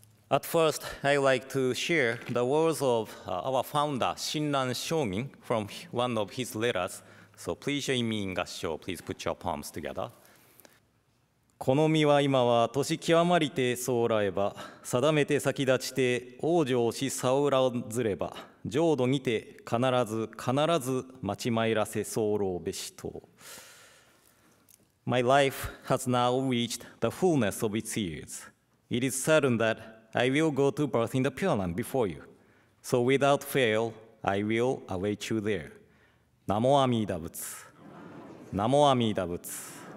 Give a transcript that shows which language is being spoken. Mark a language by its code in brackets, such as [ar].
[en] At first, I'd like to share the words of our founder, Shinran Shomin, from one of his letters. So please join me in gassho. Please put your palms together. [ja] この身は今は年極まりて候えば、定めて先立ちて往生し候らずれば、浄土にて必ず必ず待ち参らせ候べしと。 [en] My life has now reached the fullness of its years. It is certain that I will go to birth in the Pure Land before you. So without fail, I will await you there. [ja] Namo Amida Butsu. Namo Amida Butsu.